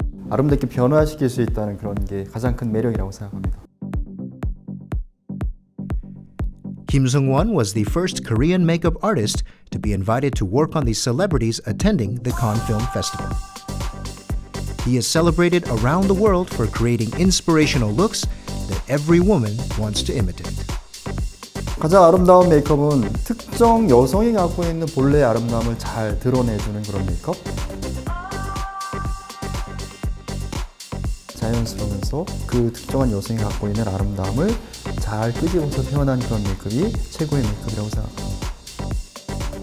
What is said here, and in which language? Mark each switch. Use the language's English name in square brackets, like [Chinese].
[Korean] 아름답게 변화시킬 수 있다는 그런 게 가장 큰 매력이라고 생각합니다. [English] Kim Seung-won was the first Korean makeup artist to be invited to work on the celebrities attending the Cannes Film Festival. He is celebrated around the world for creating inspirational looks that every woman wants to imitate. [Korean] 가장 아름다운 메이크업은 특정 여성이 갖고 있는 본래의 아름다움을 잘 드러내주는 그런 메이크업. 자연스러우면서 그 특정한 여성이 갖고 있는 아름다움을 잘 끄집어서 표현한 그런 메이크업이 최고의 메이크업이라고 생각합니다.